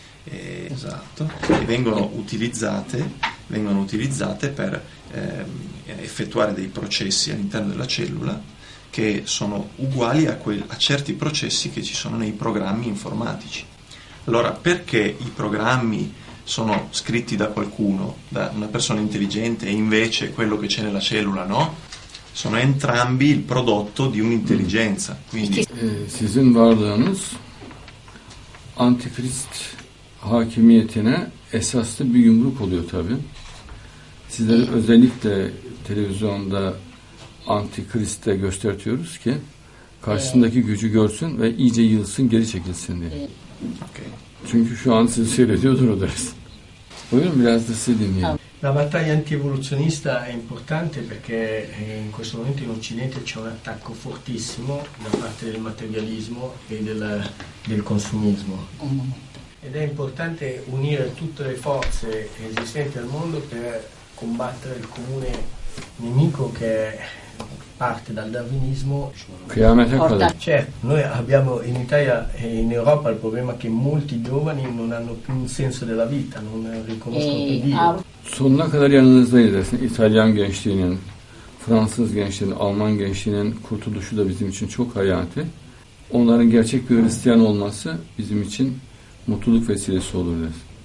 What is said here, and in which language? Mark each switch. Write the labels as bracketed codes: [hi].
[it] Esatto. E vengono utilizzate per effettuare dei processi all'interno della cellula che sono uguali a certi processi che ci sono nei programmi informatici. Allora, perché i programmi sono scritti da qualcuno, da una persona intelligente, e invece quello che c'è nella cellula, no? Sono entrambi il prodotto di un'intelligenza. Quindi [tr] sizin varlığınız antikrist hakimiyetine esaslı bir yumruk oluyor tabii. Sizleri özellikle televizyonda antikriste göstertiyoruz ki karşısındaki gücü görsün ve iyice yılsın, geri çekilsin diye. Okay. Çünkü şu an sizi seyrediyordur o ders. Buyurun, biraz da sizi dinleyelim. [it] La battaglia antievoluzionista è importante perché in questo momento in Occidente c'è un attacco fortissimo da parte del materialismo e del consumismo. Ed è importante unire tutte le forze esistenti al mondo per combattere il comune nemico che parte dal darwinismo. Certo, noi abbiamo in Italia e in Europa il problema che molti giovani non hanno più un senso della vita, non riconoscono più Dio. [tr] Sonuna kadar yanınızdayız desin. İtalyan gençliğinin, Fransız gençliğinin, Alman gençliğinin kurtuluşu da bizim için çok hayati. Onların gerçek bir Hristiyan olması bizim için mutluluk vesilesi olur desin.